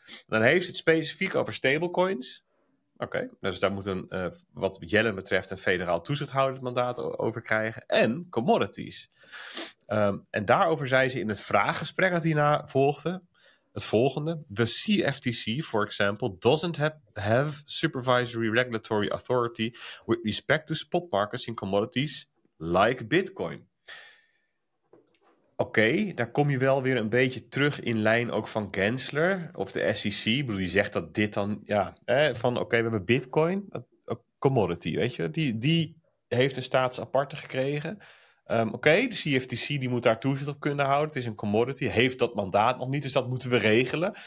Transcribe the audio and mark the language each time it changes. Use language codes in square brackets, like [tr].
[nl] Dan heeft het specifiek over stablecoins. Oké, dus daar moet een, wat Yellen betreft, een federaal toezichthouder mandaat over krijgen. En commodities. En daarover zei ze in het vraaggesprek dat hierna volgde, het volgende. [en] The CFTC, for example, doesn't have supervisory regulatory authority with respect to spot markets in commodities like Bitcoin. [nl] Oké, daar kom je wel weer een beetje terug in lijn ook van Gensler of de SEC. Ik bedoel, die zegt dat dit dan, ja, van oké, we hebben Bitcoin, commodity, weet je. Die heeft een status aparte gekregen. Oké, de CFTC die moet daar toezicht op kunnen houden. Het is een commodity, heeft dat mandaat nog niet, dus dat moeten we regelen.